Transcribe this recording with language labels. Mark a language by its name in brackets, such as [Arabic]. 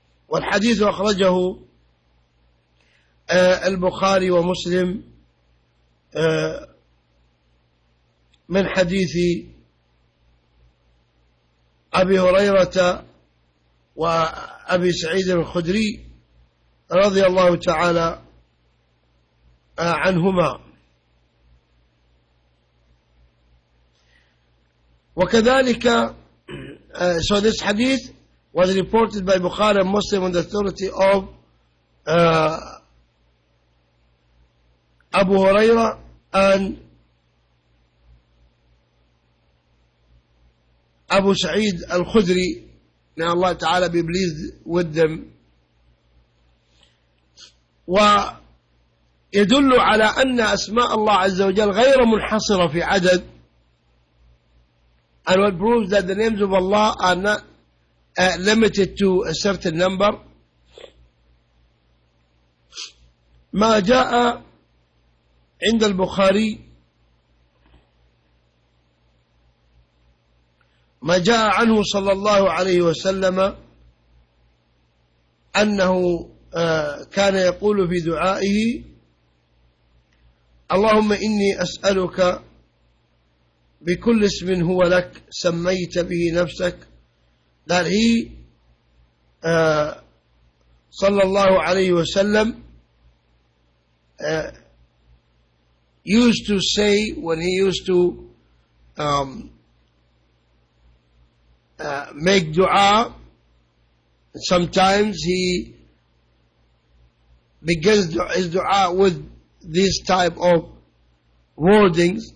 [Arabic] والحديث أخرجه البخاري ومسلم من حديث أبي هريرة وأبي سعيد الخدري رضي الله تعالى عنهما. وكذلك [English] so this hadith was reported by Bukhari and Muslim on the authority of Abu Huraira and Abu Sa'id al-Khudri. May Allah Ta'ala be pleased with them. [Arabic] ويدل على أن أسماء الله عز وجل غير منحصرة في عدد. [English] And what proves that the names of Allah are not limited to a certain number. [Arabic] ما جاء عند البخاري ما جاء عنه صلى الله عليه وسلم أنه كان يقول في دعائه اللهم إني أسألك بكل اسم هو لك سميت به نفسك. [English] That he صلى الله عليه وسلم used to say when he used to make dua, sometimes he begins his dua with this type of wordings.